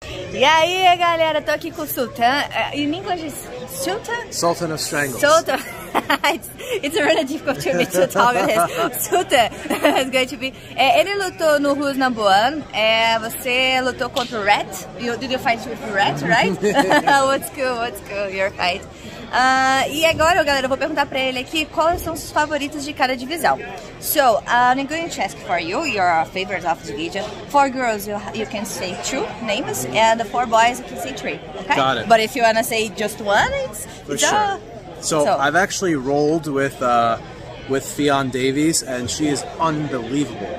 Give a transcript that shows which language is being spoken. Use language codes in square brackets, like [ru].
[pt] E aí, galera, tô aqui com o Sultan. [en] In English, it's Sultan? Sultan of Strangles. Sultan. It's really difficult to me to talk this. Sultan, it's going to be... [pt] ele lutou no Rus Namboan. Você lutou contra o Rat. [en] Did you fight with Rat, right? what's cool, your fight. [pt] E agora, galera, eu vou perguntar pra ele aqui quais são os seus favoritos de cada divisão. [en] So, I'm going to ask for you, your favorite of the division. For girls, you can say two names, and for boys, you can say three. Okay? Got it. But if you want to say just one, it's... So, I've actually rolled with Fionn Davies, and she is unbelievable.